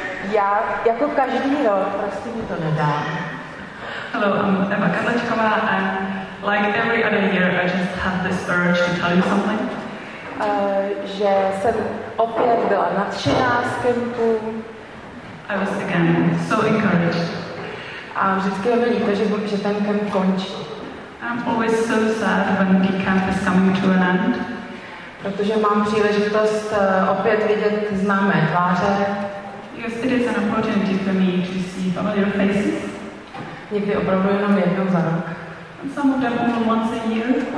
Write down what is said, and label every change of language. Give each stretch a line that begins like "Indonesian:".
Czech: Já jako každý rok prostě mi to nedá.
English: Hello, I'm Eva Kadlečková and like every other year I just have this urge to tell you something.
Czech: Že jsem opět byla nadšená z kempu.
English: I was again so encouraged.
Czech: A vždycky mi líto, že ten kemp končí.
English: I'm always so sad when the camp is coming to an end.
Czech: Protože mám příležitost opět vidět známé tváře.
English: Yes, it is an opportunity for me to see familiar faces.
Czech: Někdy opravdu jenom jednou za rok.
English: And some of them only once a year.